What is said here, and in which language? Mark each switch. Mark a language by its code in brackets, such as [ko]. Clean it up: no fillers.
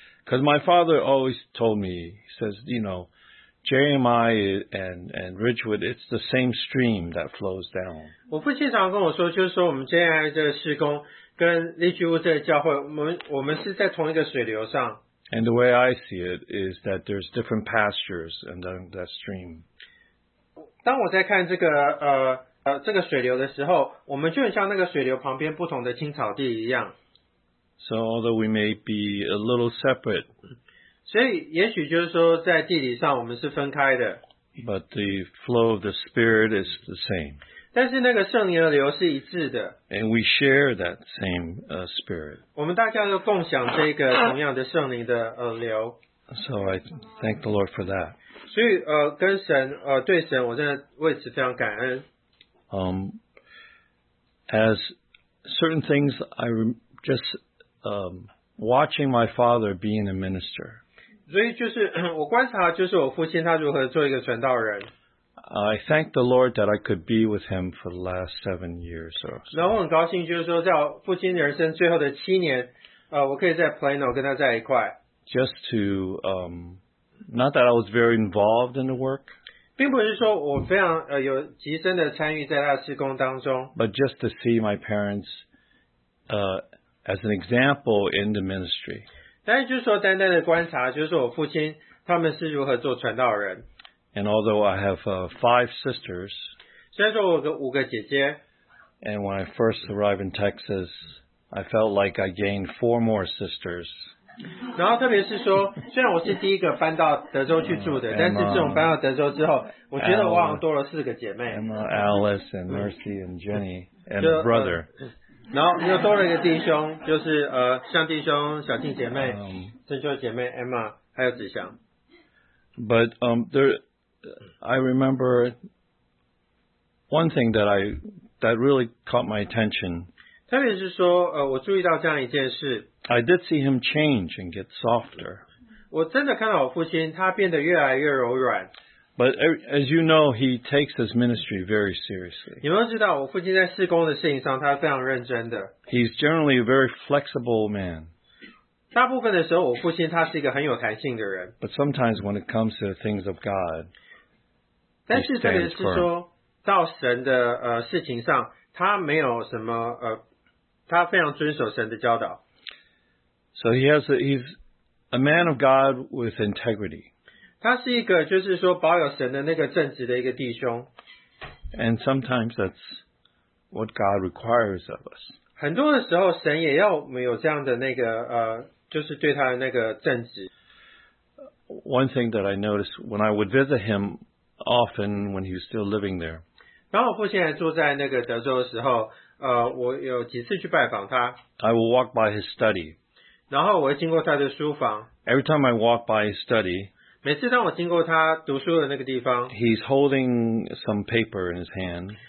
[en] Because my father always told me, he says, you know, JMI and Ridgewood, it's the same stream that flows down. [zh] 我父亲常跟我说，就是说我们 JMI 这个事工跟 Ridgewood 这个教会，我们是在同一个水流上。 [en] And the way I see it is that there's different pastures under that stream. [zh] 当我在看这个水流的时候，我们就很像那个水流旁边不同的青草地一样。 [en] So although we may be a little separate, [zh] 所以也许就是说在地理上我们是分开的。 [en] But the flow of the Spirit is the same. [zh] 但是那个圣灵的流是一致的。 [en] And we share that same spirit. [zh] 我们大家都共享这个同样的圣灵的流。 [en] So I thank the Lord for that. [zh] 所以跟神对神，我真的为此非常感恩。 [en] As certain things I just watching my father being a minister. [zh] 所以就是我观察就是我父亲他如何做一个传道人。 [en] I thank the Lord that I could be with him for the last 7 years or so. [zh] 然后我很高兴就是说在我父亲人生最后的七年我可以在 Plano 跟他在一块。 [en] Just to, not that I was very involved in the work. [zh] 并不是说我非常有极深的参与在他的事工当中。 [en] But just to see my parents, as an example in the ministry. [zh] 但是就是说单单的观察就是说我父亲他们是如何做传道人。 [en] And although I have five sisters, [zh] 虽然说我有五个姐姐, [en] and when I first arrived in Texas, I felt like I gained four more sisters. [zh] 然后特别是说，虽然我是第一个搬到德州去住的，但是自从搬到德州之后，我觉得我好像多了四个姐妹。 [en] Emma, Alice, and Mercy, and Jenny, and a brother. [zh] 然后又多了一个弟兄，就是像弟兄、小弟姐妹、生兄姐妹 Emma, 还有子祥。 [en] But there, I remember one thing that really caught my attention. [zh] 特别是说，我注意到这样一件事。 [en] I did see him change and get softer. [zh] 我真的看到我父亲，他变得越来越柔软。 [en] But as you know, he takes his ministry very seriously. [zh] 你们都知道，我父亲在事工的事情上，他非常认真的。 [en] He's generally a very flexible man. [zh] 大部分的时候，我父亲他是一个很有弹性的人。 [en] But sometimes when it comes to the things of God, [zh] 但是特别是说到神的事情上，他没有什么他非常遵守神的教导。 [en] So he's a man of God with integrity. [zh] 他是一个就是说保有神的那个正直的一个弟兄。 [en] And sometimes that's what God requires of us. [zh] 很多的时候，神也要我们有这样的那个就是对他的那个正直。 [en] One thing that I noticed when I would visit him often when he was still living there. [zh] 当我父亲还住在那个德州的时候，我有几次去拜访他。 [en] I would walk by his study. [zh] 然后我会经过他的书房。 [en] Every time I walk by his study, [zh] 每次当我经过他读书的那个地方， [en] he's holding some paper in his hand.